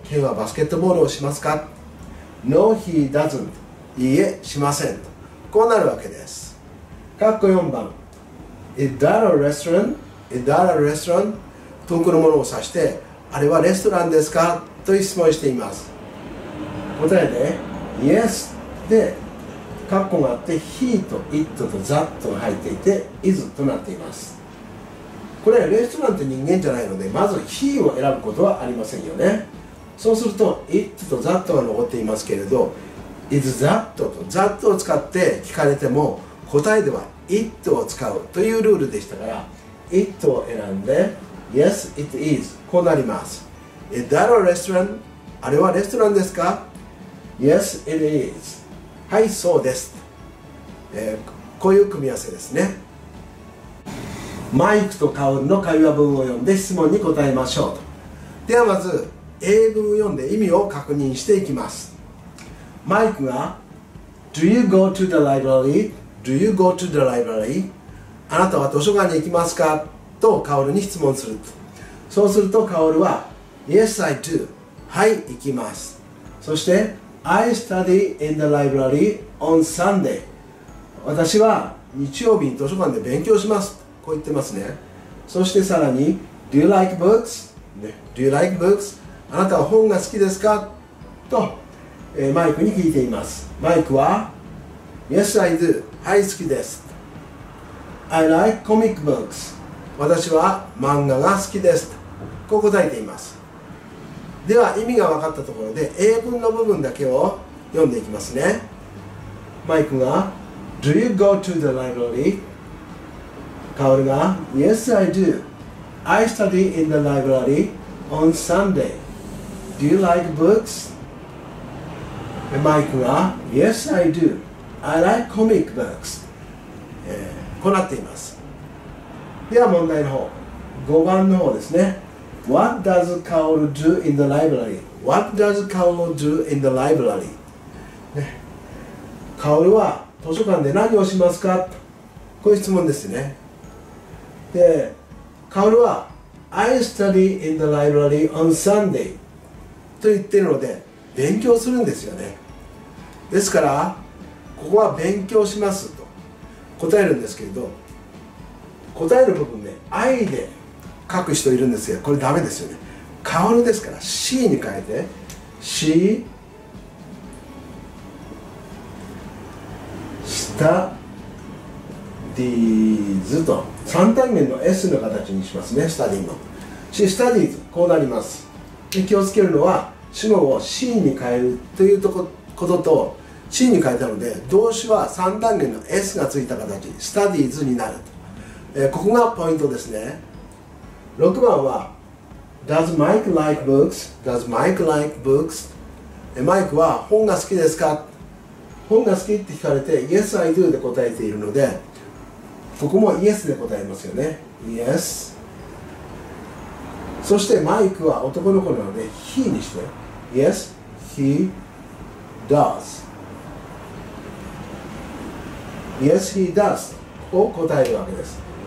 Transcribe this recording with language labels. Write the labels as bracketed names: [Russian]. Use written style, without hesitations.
[Japanese] Ken はバスケットボールをしますか。 [English] No, he doesn't、 [Japanese] いいえ、しません、とこうなるわけです。括弧4番、 [English] Is that a restaurant? Is that a restaurant? [Japanese] 遠くのものを指してあれはレストランですか、と質問しています。答えで Yes で括弧があって He と It と That と入っていて Is となっています。これレストランって人間じゃないのでまず He を選ぶことはありませんよね。そうすると It と That が残っていますけれど Is That と That を使って聞かれても答えでは It を使うというルールでしたからIt を選んで [English] Yes, it is、 [Japanese] こうなります。 [English] Is that a restaurant? [Japanese] あれはレストランですか。 [English] Yes, it is、 [Japanese] はい、そうです、こういう組み合わせですね。マイクとカオルの会話文を読んで質問に答えましょう。ではまず英文を読んで意味を確認していきます。 [English] マイクが Do you go to the library? Do you go to the library? [Japanese] あなたは図書館に行きますか、とカオルに質問する。そうするとカオルは [English] Yes, I do、 [Japanese] はい、行きます。そして [English] I study in the library on Sunday、 [Japanese] 私は日曜日に図書館で勉強します、こう言ってますね。そしてさらに [English] Do you like books?、ね、Do you like books? [Japanese] あなたは本が好きですか、と、マイクに聞いています。マイクは [English] Yes, I do、 [Japanese] はい、好きです。 [English] I like comic books. [Japanese] 私は漫画が好きです、こう答えています。では意味が分かったところで英文の部分だけを読んでいきますね。 [English] マイクが Do you go to the library? カオルが Yes, I do. I study in the library on Sunday. Do you like books? マイクが Yes, I do. I like comic books. [Japanese] こうなっています。では問題の方、5番の方ですね。 [English] What does Kaoru do in the library? What does Kaoru do in the library? [Japanese] Kaoru、ね、は図書館で何をしますか、こういう質問ですね。で、Kaoru は [English] I study in the library on Sunday [Japanese] と言っているので勉強するんですよね。ですからここは勉強します、答えるんですけれど、答える部分ね、 I で書く人いるんですけど、これダメですよね。カオルですから C に変えて C下Studies と3単元の S の形にしますね。 Study の C Studies こうなります。で気をつけるのは主語を C に変えるというとことと C に変えたので動詞は3単元の S がついた形 Studies になる、ここがポイントですね。 [English] 6番は Does Mike like books? Does Mike like books? [Japanese] マイクは本が好きですか？本が好きって聞かれて [English] Yes I do [Japanese] で答えているのでここも Yes で答えますよね。 [English] Yes。 [Japanese] そしてマイクは男の子なので He にして [English] Yes He does Yes He does [Japanese] を答えるわけです。